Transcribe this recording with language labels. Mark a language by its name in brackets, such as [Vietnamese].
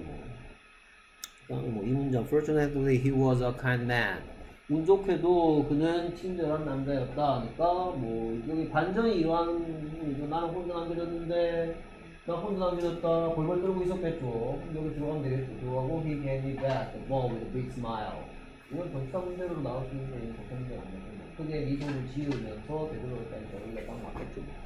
[Korean] 뭐 이 문장 [English] fortunately he was a kind man. [Korean] 운 좋게도 그는 친절한 남자였다 하니까 뭐 여기 반전이 이러한 나는 혼자 남겨줬는데 나 혼자 남겨줬다 벌벌 떨고 있었겠죠. 여기 들어가면 되겠죠. 들어가고 [English] he gave me back the ball with a big smile. [Korean] 이건 전차 문제로 나올 수 있는 게 걱정이 안 되는 거 크게 미소를 지으면서 되돌아갔다니까 우리가 딱 맞겠죠.